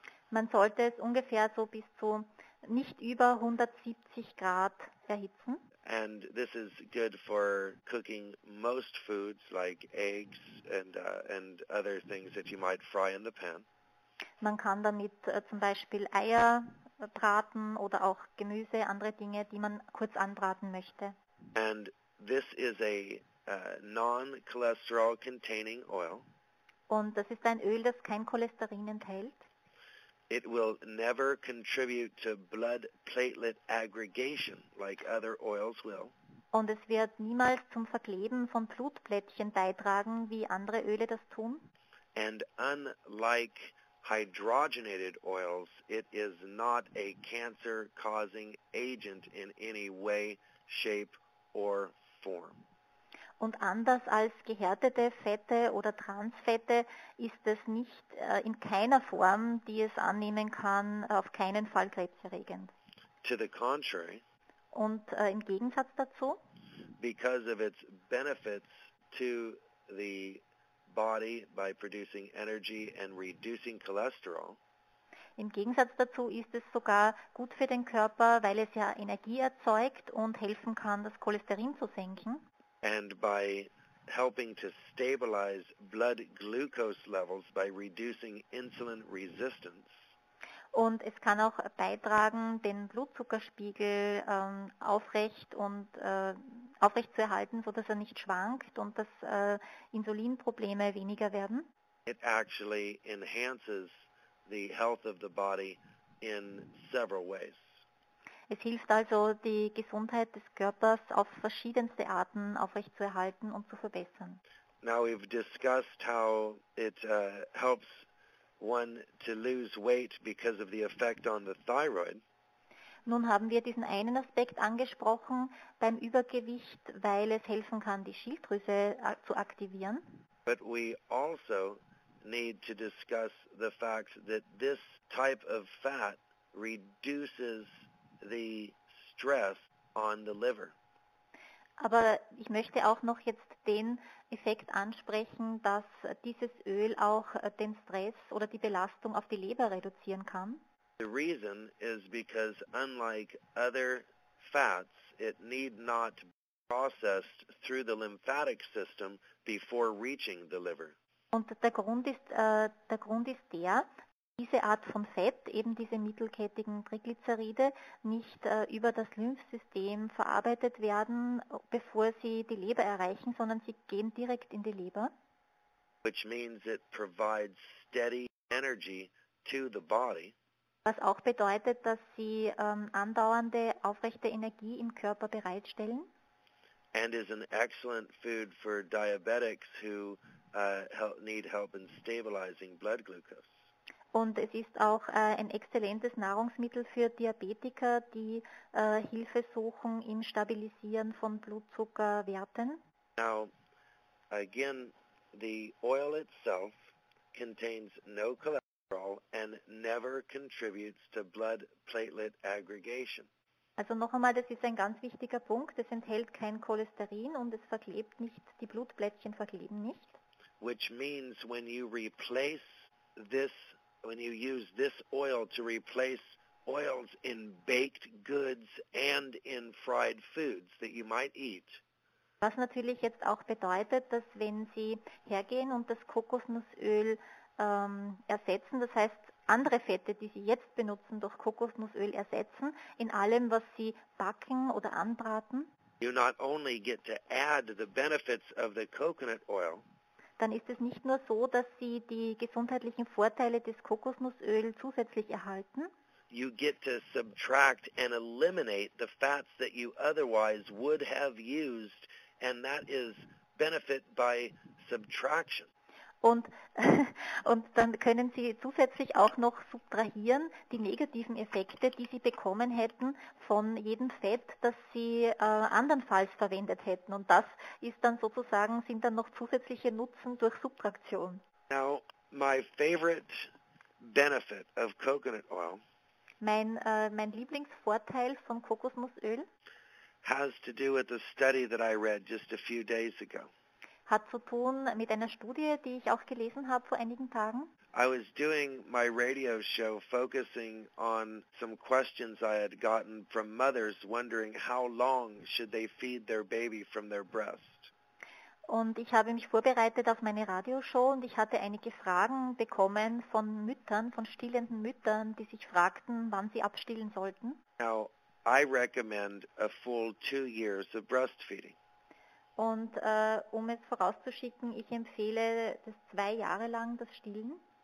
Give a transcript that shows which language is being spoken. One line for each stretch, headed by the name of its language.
German: Man sollte es ungefähr so bis zu nicht über 170 Grad erhitzen.
English: And this is good for cooking most foods like eggs and other things that you might fry in the pan.
German: Man kann damit zum Beispiel Eier braten oder auch Gemüse, andere Dinge, die man kurz anbraten möchte.
English: And this is a non-cholesterol containing oil.
German: Und das ist ein Öl, das kein Cholesterin enthält.
English: It will never contribute to blood platelet aggregation like other oils will.
German: Und es wird niemals zum Verkleben von Blutplättchen beitragen, wie andere Öle das tun.
English: And unlike hydrogenated oils, it is not a cancer-causing agent in any way, shape or form.
German: Und anders als gehärtete Fette oder Transfette ist es nicht in keiner Form, die es annehmen kann, auf keinen Fall krebserregend.
English: To the contrary,
German: und im Gegensatz dazu,
English: because of its benefits to the body by producing energy and reducing cholesterol.
German: Im Gegensatz dazu ist es sogar gut für den Körper, weil es ja Energie erzeugt und helfen kann, das Cholesterin zu senken.
English: And by helping to stabilize blood glucose levels by reducing insulin resistance.
German: Und es kann auch beitragen, den Blutzuckerspiegel aufrecht zu erhalten, so dass er nicht schwankt und dass Insulinprobleme weniger werden.
English: It actually enhances the health of the body in several ways.
German: Es hilft also, die Gesundheit des Körpers auf verschiedenste Arten aufrechtzuerhalten und zu verbessern.
English: Now we've discussed how it helps one to lose weight because of the effect on the thyroid.
German: Nun haben wir diesen einen Aspekt angesprochen beim Übergewicht, weil es helfen kann, die Schilddrüse zu aktivieren.
English: But we also need to discuss the fact that this type of fat reduces the stress on the liver.
German: Aber ich möchte auch noch jetzt den Effekt ansprechen, dass dieses Öl auch den Stress oder die Belastung auf die Leber reduzieren kann.
English: The reason is because unlike other fats, it need not be processed through the lymphatic system before reaching the liver.
German: Und der Grund ist der, diese Art von Fett, eben diese mittelkettigen Triglyceride, nicht über das Lymphsystem verarbeitet werden, bevor sie die Leber erreichen, sondern sie gehen direkt in die Leber.
English: Which means it provides steady energy to the body.
German: Was auch bedeutet, dass sie andauernde, aufrechte Energie im Körper bereitstellen.
English: And is an excellent food for diabetics who need help in stabilizing blood glucose.
German: Und es ist auch ein exzellentes Nahrungsmittel für Diabetiker, die Hilfe suchen im Stabilisieren von Blutzuckerwerten.
English: Now, again, the oil itself contains no cholesterol and never contributes to blood platelet aggregation.
German: Also noch einmal, das ist ein ganz wichtiger Punkt. Es enthält kein Cholesterin und es verklebt nicht, die Blutplättchen verkleben nicht.
English: Which means when you replace this, when you use this oil to replace oils in baked goods and in fried foods that you might eat.
German: Was natürlich jetzt auch bedeutet, dass wenn Sie hergehen und das Kokosnussöl ersetzen, das heißt andere Fette, die Sie jetzt benutzen, durch Kokosnussöl ersetzen, in allem, was Sie backen oder anbraten,
English: you not only get to add the benefits of the coconut oil,
German: dann ist es nicht nur so, dass Sie die gesundheitlichen Vorteile des Kokosnussöls zusätzlich erhalten.
English: You get to subtract and eliminate the fats that you otherwise would have used, and that is benefit by subtraction.
German: Und dann können Sie zusätzlich auch noch subtrahieren die negativen Effekte, die Sie bekommen hätten von jedem Fett, das Sie andernfalls verwendet hätten. Und das ist dann sozusagen, sind dann noch zusätzliche Nutzen durch Subtraktion.
English: Now, my favorite benefit of coconut oil,
German: Mein Lieblingsvorteil von Kokosnussöl
English: has to do with a study that I read just a few days ago.
German: Hat zu tun mit einer Studie, die ich auch gelesen habe vor einigen Tagen.
English: I was doing my radio show focusing on some questions I had gotten from mothers wondering how long should they feed their baby from their breast.
German: Und ich habe mich vorbereitet auf meine Radioshow und ich hatte einige Fragen bekommen von Müttern, von stillenden Müttern, die sich fragten, wann sie abstillen sollten.
English: Now, I recommend a full 2 years of breastfeeding.
German: Und um es vorauszuschicken, ich empfehle das 2 Jahre lang, das Stillen.